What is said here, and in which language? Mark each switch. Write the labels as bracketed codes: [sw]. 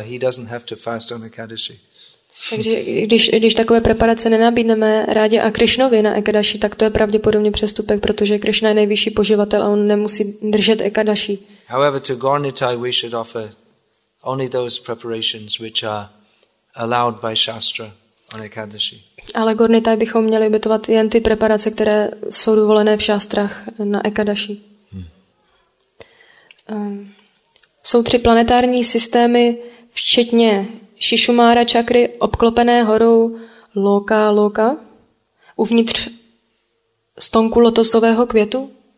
[en] He doesn't have to fast on Ekadashi. [cs] Takže když takové preparace nenabídneme Rádě a Krišnovi na Ekadaši, tak to je pravděpodobně přestupek, protože Krišna je nejvyšší poživatel a on nemusí držet Ekadaši. [en] However, to Gaur Nithai we should offer only those preparations which are allowed by Shastra on Ekadaši. [cs] Ale Gaur Nithai bychom měli obětovat jen ty preparace, které jsou dovolené v Šástrach na Ekadaši. Jsou tři planetární systémy, včetně Šišumára čakry obklopené horou Loka, uvnitř stonku lotosového květu.